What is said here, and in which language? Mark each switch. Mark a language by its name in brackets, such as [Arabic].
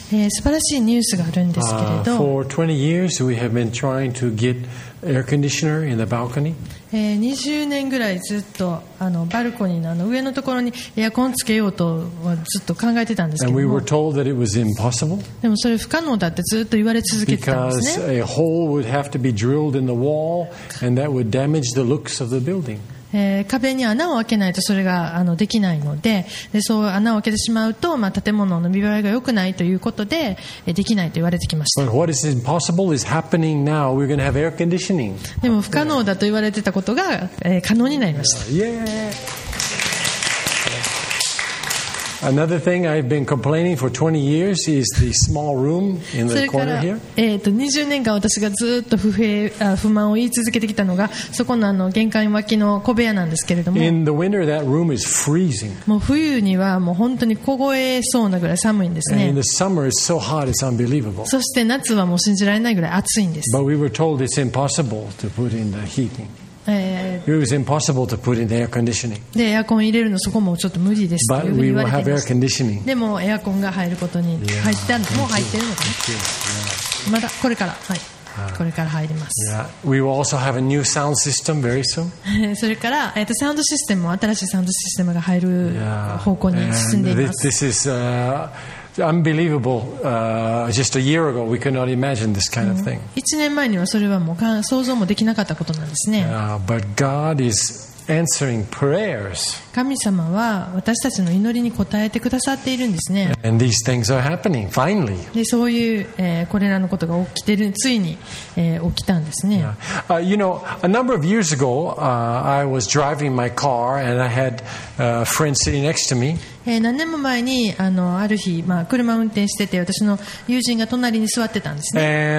[Japanese] 素晴らしいニュースがあるんですけれど。 [English] For 20 years, we have been trying to get air conditioner in the balcony. [Japanese] 20年ぐらいずっとバルコニーの上のところにエアコンつけようとはずっと考えてたんですけども。 [English] And we were told that it was impossible. [Japanese] でもそれ不可能だってずっと言われ続けてたんですね。 [English] Because a hole would have to be drilled in the wall, and that would damage the looks of the building. [Japanese] 壁に穴を開けないとそれができないの でそう穴を開けてしまうと、まあ、建物の見栄えが良くないということでできないと言われてきました。 [English] But what is impossible is happening now. We're going to have air conditioning. [Japanese] でも不可能だと言われてたことが、可能になりました。 [English] Another thing I've been complaining for 20 years is the small room in the corner here. [Japanese] それから、20年間私がずっと不満を言い続けてきたのが、そこの玄関脇の小部屋なんですけれども。 [English] In the winter, that room is freezing. [Japanese] もう冬にはもう本当に凍えそうなぐらい寒いんですね。 [English] And in the summer, it's so hot, it's unbelievable. [Japanese] そして夏はもう信じられないぐらい暑いんです。 [English] But we were told it's impossible to put in the heating. It was impossible to put in the air conditioning. [Japanese] でエアコン入れるのそこもちょっと無理ですというふうに言われていました。 [English] But we will have air conditioning. [Japanese] でもエアコンが入ることに入ったの、もう入ってるのかな。まだこれから、はい。これから入ります。 [English] Yeah. We will also have a new sound system very soon. [Japanese] それから、サウンドシステムも新しいサウンドシステムが入る方向に進んでいます。 [English] This is unbelievable. Just a year ago, we could not imagine this kind of thing. [Japanese] 1年前にはそれはもう想像もできなかったことなんですね。 [English] But God is answering prayers. [Japanese] 神様は私たちの祈りに応えてくださっているんですね。 [English] And these things are happening, finally. [Japanese] で、そういう、これらのことが起きてる、ついに、起きたんですね。 [English] You know, a number of years ago, I was driving my car and I had a friend sitting next to me. [Japanese] 何年も前に ある日、まあ、車を運転してて私の友人が隣に座ってたんですね。